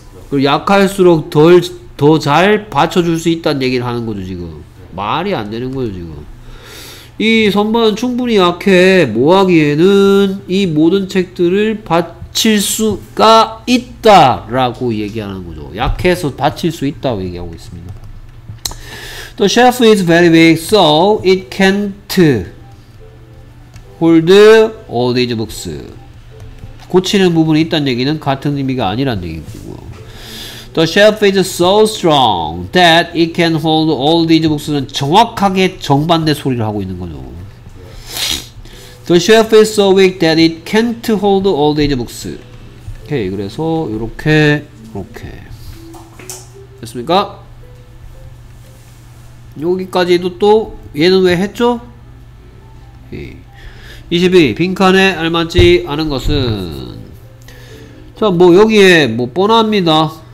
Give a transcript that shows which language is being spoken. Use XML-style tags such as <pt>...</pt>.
<ko>그리고 약할수록 덜 더 잘 받쳐줄 수 있다는 얘기를 하는 거죠 지금. 말이 안 되는 거죠 지금. 이 선반은 충분히 약해. 뭐 하기에는 이 모든 책들을 받칠 수가 있다 라고 얘기하는 거죠. 약해서 받칠 수 있다고 얘기하고 있습니다.</ko> <en>The shelf is very big so it can't hold all these books.</en> <ko>고치는 부분이 있다는 얘기는 같은 의미가 아니란 얘기고요.</ko> <en>The shelf is so strong that it can hold all these books는</en> <ko>정확하게 정반대 소리를 하고 있는 거죠.</ko> <en>The shelf is so weak that it can't hold all these books.</en> <ko>오케이, 그래서 이렇게 이렇게 됐습니까? 여기까지도 또 얘는 왜 했죠? 오케이. 22. 빈칸에 알맞지 않은 것은 자, 뭐 여기에 뭐 뻔합니다.</ko>